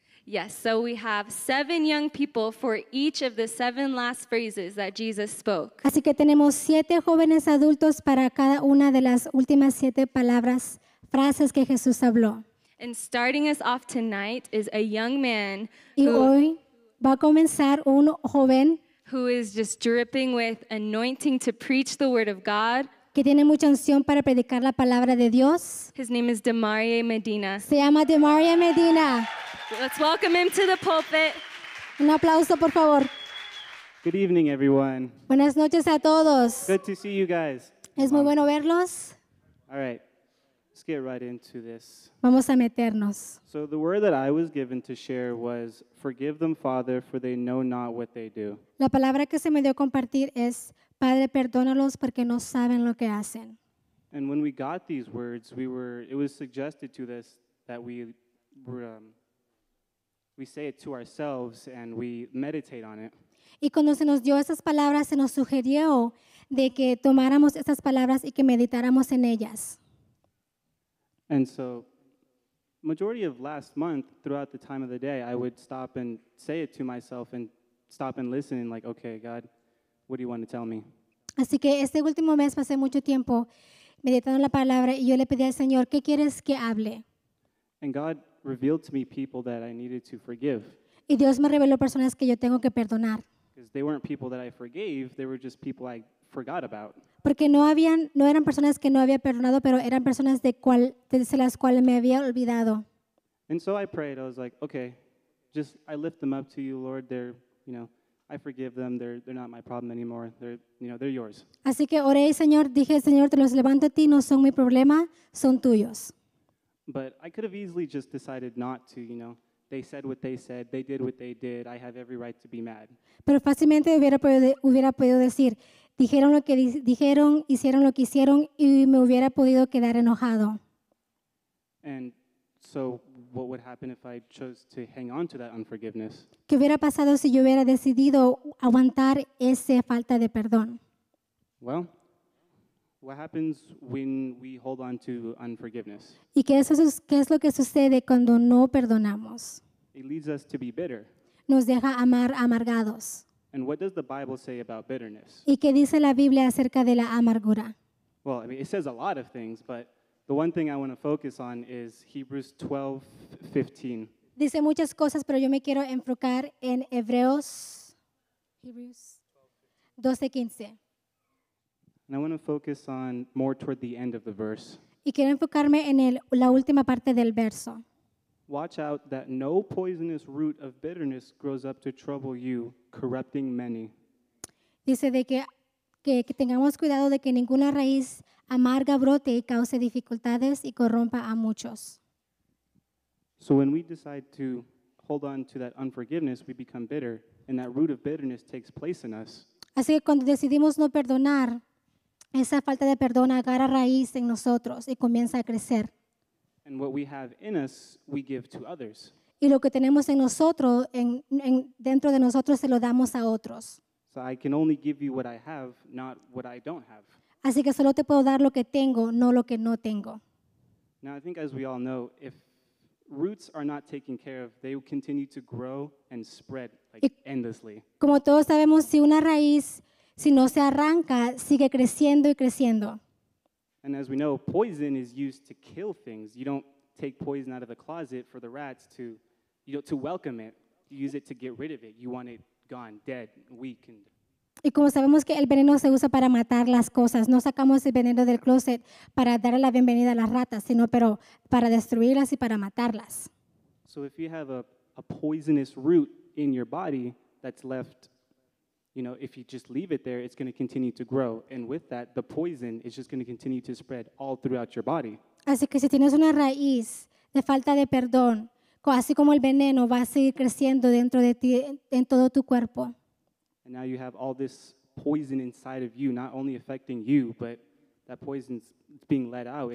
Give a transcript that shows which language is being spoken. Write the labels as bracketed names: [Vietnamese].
[English] Yes, so we have 7 young people for each of the 7 last phrases that Jesus spoke. [Spanish] Así que tenemos 7 jóvenes adultos para cada una de las últimas 7 palabras, frases que Jesús habló. [English] And starting us off tonight is a young man [Spanish] y who, hoy va a comenzar un joven [English] who is just dripping with anointing to preach the word of God. [Spanish] Que tiene mucha unción para predicar la palabra de Dios. [English] His name is Demarie Medina. [Spanish] Se llama Demarie Medina. [English] Let's welcome him to the pulpit. [Spanish] Un aplauso, por favor. [English] Good evening, everyone. [Spanish] Buenas noches a todos. [English] Good to see you guys. [Spanish] Es muy bueno verlos. [English] All right, let's get right into this. [Spanish] Vamos a meternos. [English] So the word that I was given to share was, "Forgive them, Father, for they know not what they do." [Spanish] La palabra que se me dio compartir es, Padre, perdónalos porque no saben lo que hacen. [English] And when we got these words, it was suggested to us that we say it to ourselves and we meditate on it. [Spanish] Y cuando se nos dio esas palabras, se nos sugirió de que tomáramos esas palabras y que meditáramos en ellas. [English] And so, majority of last month, throughout the time of the day, I would stop and say it to myself and stop and listen and like, okay, God, what do you want to tell me? [Spanish] Así que este último mes pasé mucho tiempo meditando la palabra y yo le pedí al Señor, ¿qué quieres que hable? [English] And God revealed to me people that I needed to forgive. [Spanish] Y Dios me reveló personas que yo tengo que perdonar. [English] Because they weren't people that I forgave, they were just people I forgot about. [Spanish] Porque no eran personas que no había perdonado, pero eran personas de las cuales me había olvidado. [English] And so I prayed, I was like, okay, just I lift them up to you, Lord, they're, you know, I forgive them. They're not my problem anymore. They're yours. [Spanish] Así que oré, Señor, dije, Señor, te los levanto a ti, no son mi problema, son tuyos. [English] But I could have easily just decided not to, you know. They said what they said. They did what they did. I have every right to be mad. [Spanish] Pero fácilmente hubiera podido decir, dijeron lo que dijeron, hicieron lo que hicieron y me hubiera podido quedar enojado. [English] And so what would happen if I chose to hang on to that unforgiveness? [Spanish] ¿Qué hubiera pasado si yo hubiera decidido aguantar esa falta de perdón? [English] Well, what happens when we hold on to unforgiveness? [Spanish] ¿Y qué es lo que sucede cuando no perdonamos? [English] It leads us to be bitter. [Spanish] Nos deja amargados. [English] And what does the Bible say about bitterness? [Spanish] ¿Y qué dice la Biblia acerca de la amargura? [English] Well, I mean, it says a lot of things, but the one thing I want to focus on is Hebrews 12:15. [Spanish] Dice muchas cosas, pero yo me quiero enfocar en Hebreos 12:15. [English] And I want to focus on more toward the end of the verse. [Spanish] Y quiero enfocarme en la última parte del verso. [English] Watch out that no poisonous root of bitterness grows up to trouble you, corrupting many. [Spanish] Dice de que tengamos cuidado de que ninguna raíz amarga brote y cause dificultades y corrompa a muchos. [English] So when we decide to hold on to that unforgiveness, we become bitter, and that root of bitterness takes place in us. [Spanish] Así que cuando decidimos no perdonar, esa falta de perdón agarra raíz en nosotros y comienza a crecer. [English] And what we have in us, we give to others. [Spanish] Y lo que tenemos en nosotros, dentro de nosotros, se lo damos a otros. [English] So I can only give you what I have, not what I don't have. [Spanish] Así que solo te puedo dar lo que tengo, no lo que no tengo. [English] Now I think as we all know, if roots are not taken care of, they will continue to grow and spread endlessly. [Spanish] Como todos sabemos, si una raíz, si no se arranca, sigue creciendo y creciendo. [English] And as we know, poison is used to kill things. You don't take poison out of the closet for the rats to welcome it. You use it to get rid of it. You want it gone, dead, weak, and [Spanish] y como sabemos que el veneno se usa para matar las cosas, no sacamos el veneno del closet para dar la bienvenida a las ratas, sino pero para destruirlas y para matarlas. [English] So if you have a poisonous root in your body that's left, you know, if you just leave it there, it's going to continue to grow. And with that, the poison is just going to continue to spread all throughout your body. [Spanish] Así que si tienes una raíz de falta de perdón, así como el veneno va a seguir creciendo dentro de ti, en todo tu cuerpo. [English] And now you have all this poison inside of you, not only affecting you, but that poison's being let out.